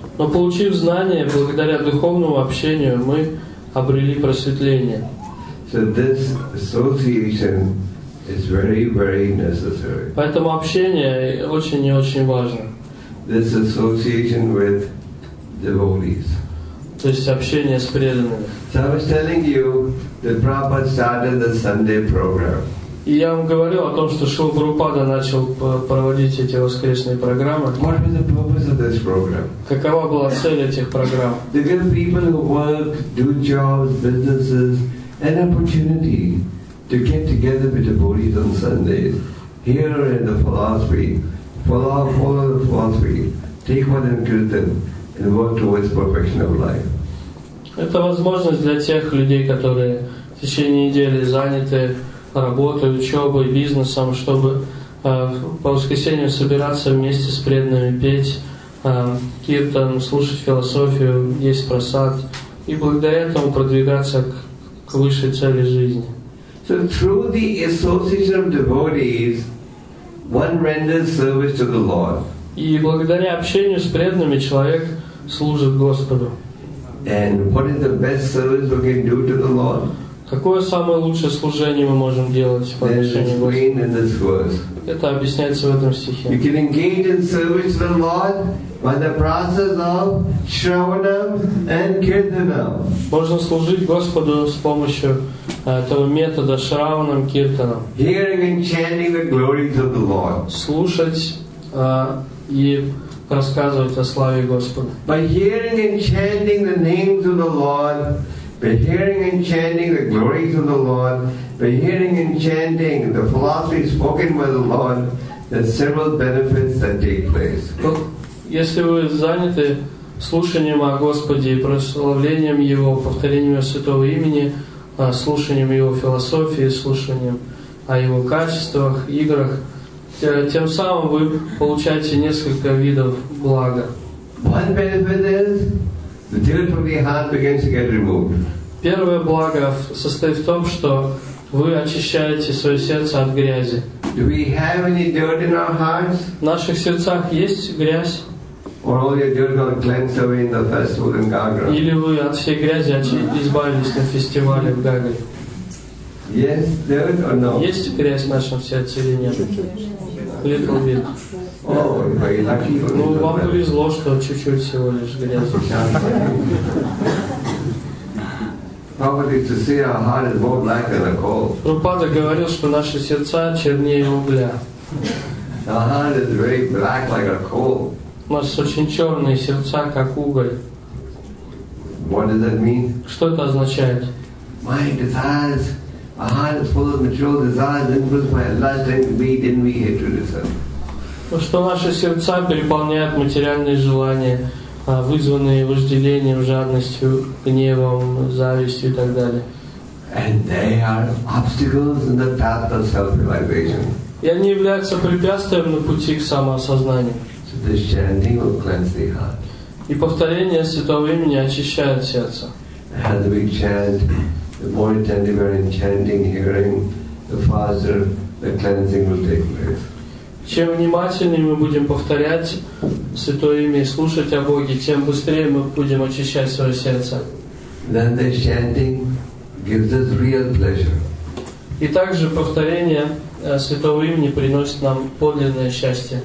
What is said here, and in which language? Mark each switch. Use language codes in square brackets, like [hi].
[ru] Но получив знание благодаря духовному общению, мы обрели просветление. [en] So this association is very, very necessary. [ru] Поэтому общение очень и очень важно. [en] This association with devotees. [ru] То есть общение с преданными. [en] So I was telling you that Prabhupada started the Sunday program. [ru] И я вам говорил о том, что Шрила Прабхупада начал проводить эти воскресные программы. [en] What was the purpose of this program? [ru] Какова была цель этих программ? [en] To give people who work, do jobs, businesses, an opportunity to get together with the devotees on Sundays, hear in the philosophy, follow the philosophy, take what is written, and work towards perfection of life. [ru] Это возможность для тех людей, которые в течение недели заняты работой, учебой, бизнесом, чтобы по воскресеньям собираться вместе с преданными, петь киртан, слушать философию, есть просад, и благодаря этому продвигаться к высшей цели жизни. [en] So through the association of devotees, one renders service to the Lord. [ru] И благодаря общению с преданными человек служит Господу. [en] And what is the best service we can do to the Lord? [ru] Какое самое лучшее служение мы можем делать по отношению к Господу? Это объясняется в этом стихе. [en] You can engage in service to the Lord by the process of shravanam and kirtanam. [ru] Можно служить Господу с помощью этого метода шраванам, киртанам. [en] Hearing and chanting the glories of the Lord. [ru] Слушать и рассказывать о славе Господа. [en] By hearing and chanting the names of the Lord. By hearing and chanting the glories of the Lord, by hearing and chanting the philosophy spoken by the Lord, there are several benefits that take place. [ru] Если вы заняты слушанием о Господе, прославлением Его, повторением Святого Имени, слушанием Его философии, слушанием о Его качествах, играх, тем самым вы получаете несколько видов блага. [en] One benefit is the dirt from the heart begins to get removed. [ru] Первое благо состоит в том, что вы очищаете свое сердце от грязи. [en] Do we have any dirt in our hearts? [ru] В наших сердцах есть грязь? [en] Or all your dirt got cleansed away in the festival in Gagra? [ru] Или вы от всей грязи избавились на фестивале в Гагре? [en] Yes, dirt or no? [ru] Есть грязь в нашем сердце или нет? [en] Little bit. Oh, very lucky. [ru] Ну, вам повезло, что чуть-чуть всего лишь грязи. Прабхупада говорил, что наши сердца чернее угля. [en] Our heart is very black like a coal. [ru] У нас очень черные сердца, как уголь. [en] What does that mean? [ru] Что это означает? [en] My desires. A heart is full of material desires, influenced by lust, envy, hatred, etc. [ru] Что наши сердца переполняют материальные желания, вызванные вожделением, жадностью, гневом, завистью и так далее. [en] And they are obstacles in the path of self-realization. [ru] И они являются препятствием на пути к самоосознанию. [en] So this chanting will cleanse the heart. [ru] И повторение Святого Имени очищает сердце. [en] As we chant, the more attentive and chanting, hearing, the faster the cleansing will take place. [ru] Чем внимательнее мы будем повторять Святое Имя и слушать о Боге, тем быстрее мы будем очищать свое сердце. [en] Then the chanting gives us real pleasure. [ru] И также повторение Святого Имени приносит нам подлинное счастье.